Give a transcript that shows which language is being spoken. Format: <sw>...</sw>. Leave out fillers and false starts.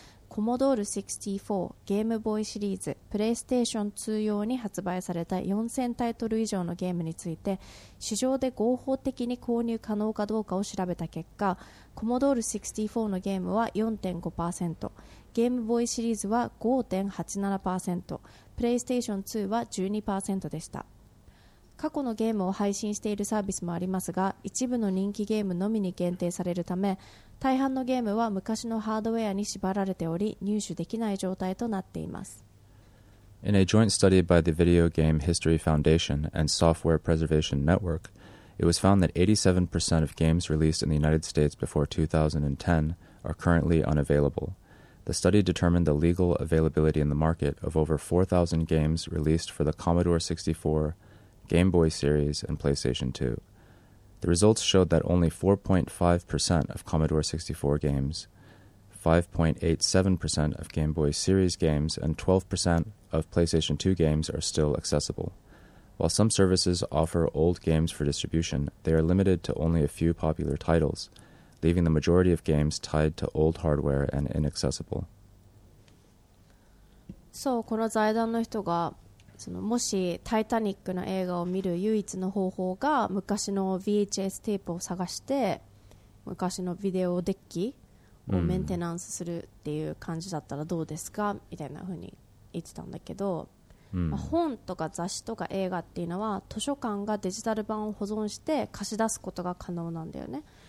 <ja>コモドール64、ゲームボーイシリーズ、プレイステーション2用に発売された4000タイトル以上のゲームについて、市場で合法的に購入可能かどうかを調べた結果、コモドール64のゲームは 4.5%、ゲームボーイシリーズは 5.87%、プレイステーション2は 12% でした。過去のゲームを配信しているサービスもありますが、一部の人気ゲームのみに限定されるため、大半のゲームは昔のハードウェアに縛られており、入手できない状態となっています。</ja> <en>In a joint study by the Video Game History Foundation and Software Preservation Network, it was found that 87% of games released in the United States before 2010 are currently unavailable. The study determined the legal availability in the market of over 4,000 games released for the Commodore 64, Game Boy series, and PlayStation 2. The results showed that only 4.5% of Commodore 64 games, 5.87% of Game Boy series games, and 12% of PlayStation 2 games are still accessible. While some services offer old games for distribution, they are limited to only a few popular titles, leaving the majority of games tied to old hardware and inaccessible.</en> <ja>So, この財団の人が、そのもしタイタニックの映画を見る唯一の方法が昔の VHS テープを探して昔のビデオデッキをメンテナンスするっていう感じだったらどうですかみたいな風に言ってたんだけど、まあ、本とか雑誌とか映画っていうのは図書館がデジタル版を保存して貸し出すことが可能なんだよね。</ja>